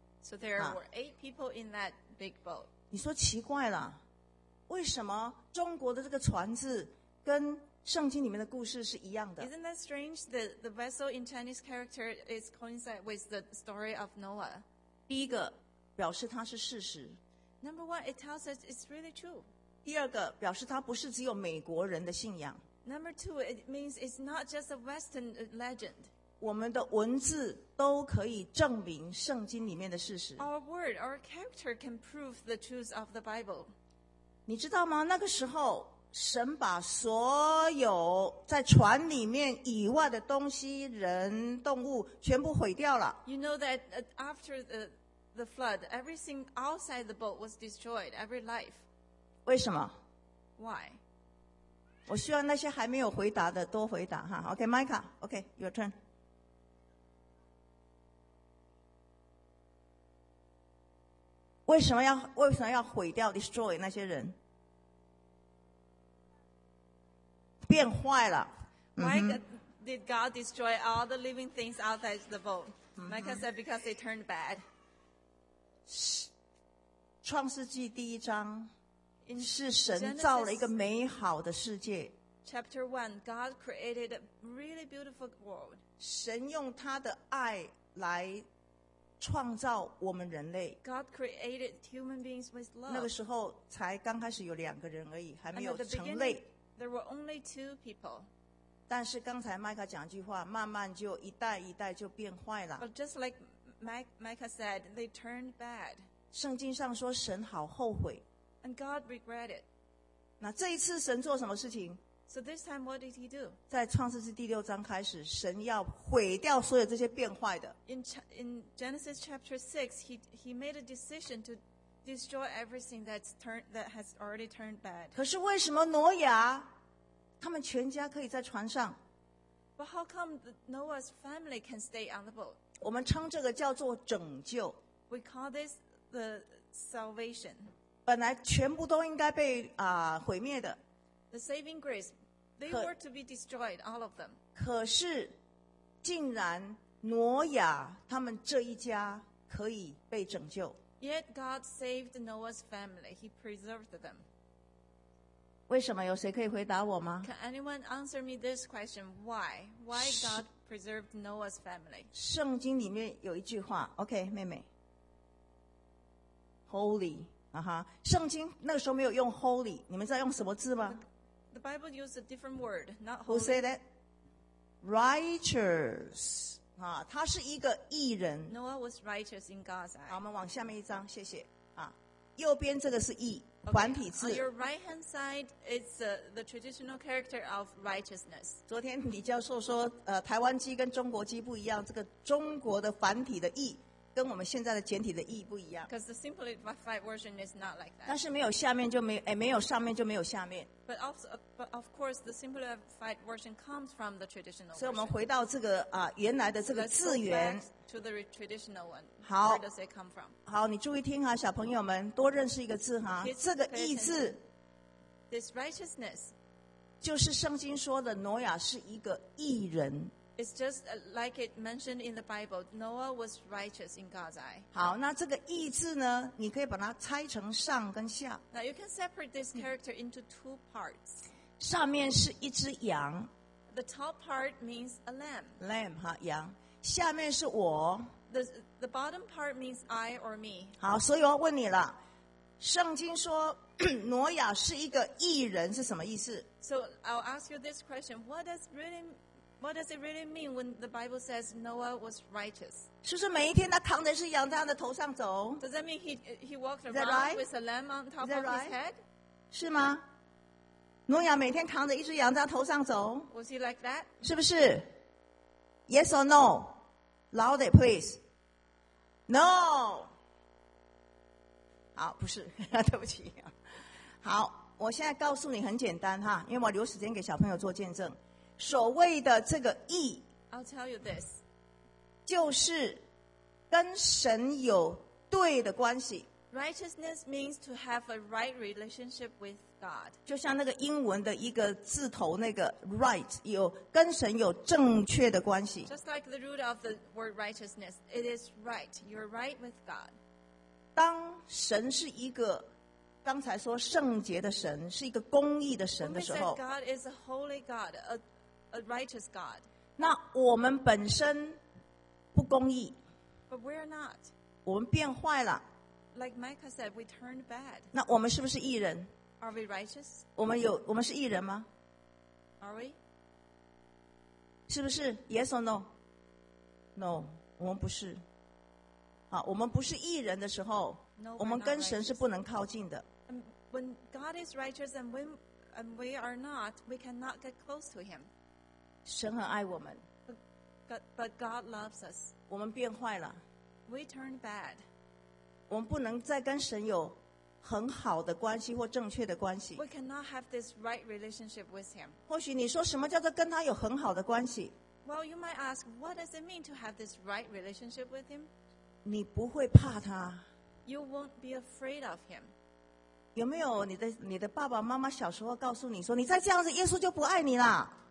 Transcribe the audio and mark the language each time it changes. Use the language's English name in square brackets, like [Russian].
[English] So there were eight people in that big boat. [Chinese] 你说奇怪了，为什么中国的这个船字跟圣经里面的故事是一样的 [English] ？Isn't that strange? The vessel in Chinese character is coincide with the story of Noah. [Chinese] 第一个表示它是事实。 [English] Number one, it tells us it's really true. [Chinese] 第二个表示它不是只有美国人的信仰。 [English] Number two, it means it's not just a Western legend. [Chinese] 我们的文字都可以证明圣经里面的事实。 [English] Our word, our character can prove the truth of the Bible. [Chinese] 你知道吗？那个时候，神把所有在船里面以外的东西、人、动物全部毁掉了。 [English] You know that after the flood, everything outside the boat was destroyed, every life. [Chinese] 为什么 [English] ？Why？ [Chinese] 我希望那些还没有回答的多回答哈。 [English] OK，Micah，OK，Your、okay, okay, turn。 [Chinese] 为什么要毁掉 destroy 那些人？变坏了。 [English] Why did God destroy all the living things outside the boat？ Micah said because they turned bad。 [Chinese] 创世纪第一章。是神造了一个美好的世界。 [English] Chapter 1, God created a really beautiful world. [Chinese] 神用他的爱来创造我们人类。 [English] God created human beings with love. [Chinese] 那个时候才刚开始有两个人而已，还没有成类。 [English] There were only two people. [Chinese] 但是刚才 Micah 讲一句话，慢慢就一代一代就变坏了。 [English] But just like Micah said, they turned bad. [Chinese] 圣经上说神好后悔。 [English] And God regretted. [Chinese] 那这一次神做什么事情 [English] ？So this time, what did He do? [Chinese] 在创世纪第六章开始，神要毁掉所有这些变坏的。 [English] In Genesis chapter 6, he made a decision to destroy everything that has already turned bad. [Chinese] 可是为什么挪亚他们全家可以在船上 [English] ？But how come Noah's family can stay on the boat? [Chinese] 我们称这个叫做拯救。 [English] We call this the salvation. [Chinese] 本来全部都应该被毁灭的。 [English] The saving grace, they were to be destroyed, all of them. [Chinese] 可是，竟然挪亚他们这一家可以被拯救。 [English] Yet God saved Noah's family. He preserved them. [Chinese] 为什么？有谁可以回答我吗 [English] ？Can anyone answer me this question? Why? Why God preserved Noah's family? [Chinese] 圣经里面有一句话 ，OK， 妹妹 ，Holy。圣经那个时候没有用 holy， 你们知道用什么字吗 [English] ？The Bible used a different word, not holy. Who said that? Righteous. [Chinese] 啊，他是一个义人。 [English] Noah was righteous in God's eyes. [Chinese] 好，我们往下面一张，谢谢。啊，右边这个是义，繁体字。 [English] Okay. On your right hand side is the traditional character of righteousness. [Chinese] 昨天李教授说，台湾鸡跟中国鸡不一样，这个中国的繁体的义。跟我们现在的简体的意义不一样。 [English] Because the simplified version is not like that. [Chinese] 但是没有下面就没有，没有上面就没有下面。 [English] But also, but of course, the simplified version comes from the traditional. [Chinese] 所以我们回到这个原来的这个字源。 [English] So let's go back to the traditional one. [Chinese] 好。 [English] Where does it come from? [Chinese] 好，你注意听哈，小朋友们多认识一个字哈。这个义字。 [English] This righteousness. [Chinese] 就是圣经说的挪亚是一个义人。 [English] It's just like it mentioned in the Bible, Noah was righteous in God's eye. [Chinese] 好，那这个义字呢，你可以把它拆成上跟下。 [English] Now you can separate this character into two parts. [Chinese] 上面是一只羊。 [English] The top part means a lamb. [Chinese] Lamb, 哈，羊。下面是我。 [English] The bottom part means I or me. [Chinese] 好，所以我要问你了。圣经说挪亚是一个义人是什么意思？ [English] So I'll ask you this question. What does it really mean when the Bible says Noah was righteous? [Chinese] 是不是每一天他躺在是羊在他的头上走？ [English] Does that mean he walked around with a lamb on top of his head? [Chinese] 是吗？挪亚每天躺着一只羊在他头上走？ [English] Was he like that? [Chinese] 是不是？ [English] Yes or no? Loud it, please. No. [Chinese] 好，不是，对不起。好，我现在告诉你很简单哈，因为我留时间给小朋友做见证。所谓的这个义 [English] ，I'll tell you this， [Chinese] 就是跟神有对的关系。 [English] Righteousness means to have a right relationship with God。 [Chinese] 就像那个英文的一个字头，那个 right 有跟神有正确的关系。 [English] Just like the root of the word righteousness, it is right. You're right with God。 [Chinese] 当神是一个刚才说圣洁的神，是一个公义的神的时候 [English] ，When we say God is a holy God, a righteous God. [Chinese] 那我们本身不公义 [English] ，But we're not. [Chinese] 我们变坏了 [English] ，Like Micah said, we turned bad. [Chinese] 那我们是不是义人 [English] ？Are we righteous? [Chinese] 我们是义人吗 [English] ？Are we? [Chinese] 是不是 ？ [English] Yes or no? No, [Chinese] 我们不是。啊，我们不是义人的时候， [English] no, [Chinese] 我们跟神是不能靠近的。 [English] When God is righteous and we are not, we cannot get close to Him. [Chinese] 神很爱我们。 [English] But God loves us. [Chinese] 我们变坏了。 [English] We turn bad. [Chinese] 我们不能再跟神有很好的关系或正确的关系。 [English] We cannot have this right relationship with Him. [Chinese] 或许你说什么叫做跟他有很好的关系 [English] ？Well, you might ask, what does it mean to have this right relationship with Him? [Chinese] 你不会怕他。 [English] You won't be afraid of Him. [Chinese] 有没有你的爸爸妈妈小时候告诉你说你再这样子耶稣就不爱你了